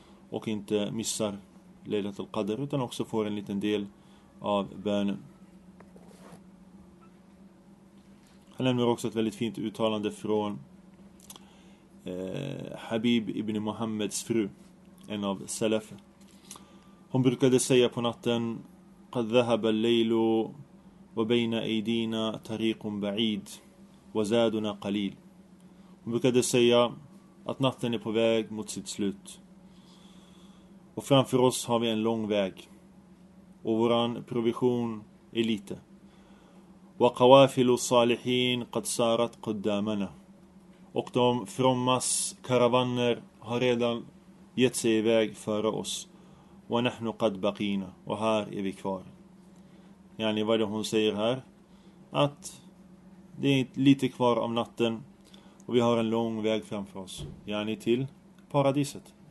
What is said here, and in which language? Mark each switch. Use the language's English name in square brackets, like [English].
[Swedish] Och inte missar Laylat al-Qadr. Utan också får en liten del av bönen. Han nämner också ett väldigt fint uttalande från Habib ibn Muhammeds fru. En av salaf. Hon brukade säga på natten: [Arabic] "قد ذهب الليل وبين أيدينا طريق بعيد وزادنا قليل." [Swedish] Hon brukade säga att natten är på väg mot sitt slut och framför oss har vi en lång väg och våran provision är lite. [Arabic] "وقوافل الصالحين قد سارت قدامنا." [Swedish] Och de frommas karavaner har redan gett sig iväg före oss. [Arabic] "ونحن قد بقينا." [Swedish] Och här är vi kvar. Yani vad det hon säger här, att det är lite kvar av natten och vi har en lång väg framför oss, yani till paradiset.